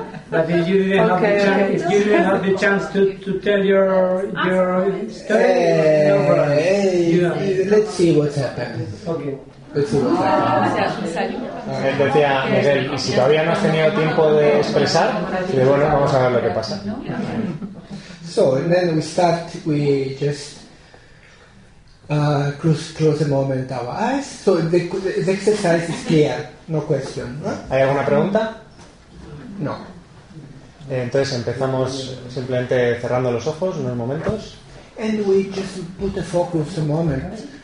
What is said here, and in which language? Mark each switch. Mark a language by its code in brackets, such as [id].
[en] But if you didn't have the chance to tell your story. Let's see what happens. Okay. [es] Él decía, Miguel, y si todavía no has tenido tiempo de expresar, dice, bueno, vamos a ver lo que pasa. [en] So, and then we start, we just close a moment our eyes. So, the exercise is clear, no question. Right? [es] ¿Hay alguna pregunta? No. Entonces empezamos simplemente cerrando los ojos unos momentos. [en] And we just put a focus a moment.